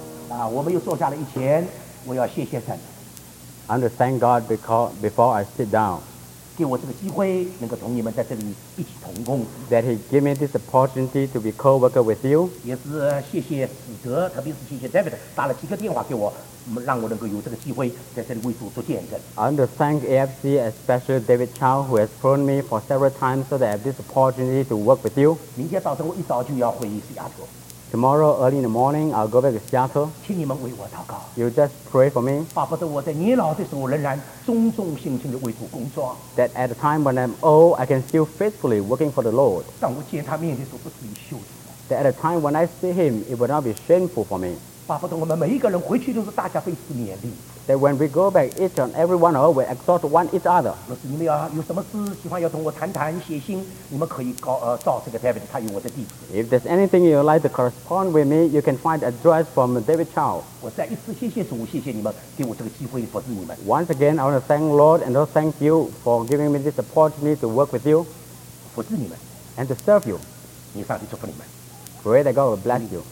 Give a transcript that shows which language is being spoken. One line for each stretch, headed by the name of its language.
Chinese: 啊，我们又坐下了一天，我要谢谢神。
English: I want to thank God before I sit down.
Chinese: 给我这个机会，能够同你们在这里一起同工。
English: That He gave me this opportunity to be co-worker with you.
Chinese: 也是谢谢史哲，特别是谢谢 David， 打了几个电话给我，让我能够有这个机会在这里为主做见证。
English: I want to thank AFC, especially David Chow, who has phoned me for several times so that I have this opportunity to work with you.
Chinese: 明天早晨我一早就要回Seattle。
English: Tomorrow early in the morning, I'll go back to Seattle.
Chinese: 请你们为我祷告。
English: You just pray for me.
Chinese: 巴不得我在年老的时候仍然忠忠心心的为主工作。
English: That at a time when I'm old, I can still faithfully working for the Lord.
Chinese: 当我见他面的时候，不是以羞耻。
English: That at a time when I see him, it will not be shameful for me.
Chinese: 巴不得我们每一个人回去都是大家彼此勉励。
English: That when we go back, each and every one of us will exhort one each other.
Chinese: 若是你们要有什么事喜欢要同我谈谈写信，你们可以照这个 David， 他有我的地址。
English: If there's anything you'd like to correspond with me, you can find address from David Chow.
Chinese: 我再一次谢谢主，谢谢你们给我这个机会服侍你们。
English: Once again, I want to thank Lord and also thank you for giving me this opportunity to work with you.
Chinese: 服侍你们。
English: And to serve you.
Chinese: 愿上帝祝福你们。
English: Pray that God will bless you.